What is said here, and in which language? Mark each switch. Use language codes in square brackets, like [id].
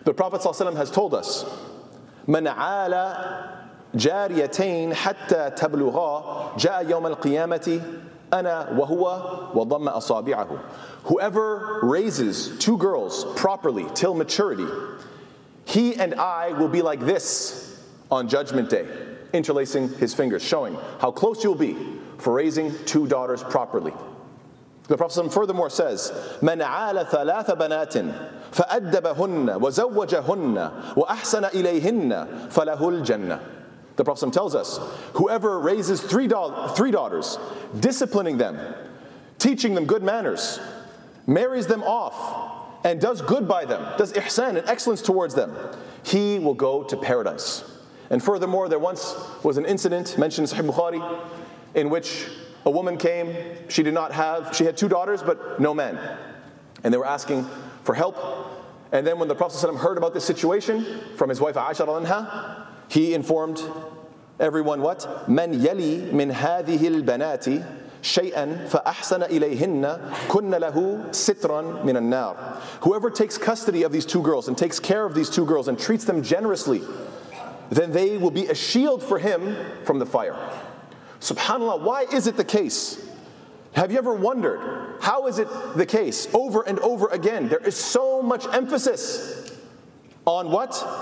[en] The Prophet ﷺ has told us, [ar] من عالى جاريتين حتى تبلغا جاء يوم القيامة أنا وهو وضم أصابعه. [en] Whoever raises two girls properly till maturity, he and I will be like this on judgment day, interlacing his fingers, showing how close you'll be for raising two daughters properly. The Prophet ﷺ furthermore says, [ar] من عالى ثلاث بنات فأدبهن وزوجهن وأحسن إليهن فله الجنة. [en] The Prophet ﷺ tells us, whoever raises three daughters, disciplining them, teaching them good manners, marries them off, and does good by them, does ihsan and excellence towards them, he will go to paradise. And furthermore, there once was an incident mentioned in Sahih Bukhari in which a woman came, she had two daughters, but no man. And they were asking for help. And then when the Prophet ﷺ heard about this situation from his wife Aisha radhiyallahu anha, he informed everyone what? [ar] من يلي من هذه البنات شيئا فأحسن إليهن كن له سترا من النار. [en] Whoever takes custody of these two girls and takes care of these two girls and treats them generously, then they will be a shield for him from the fire. SubhanAllah, why is it the case? Have you ever wondered, how is it the case? Over and over again, there is so much emphasis on what?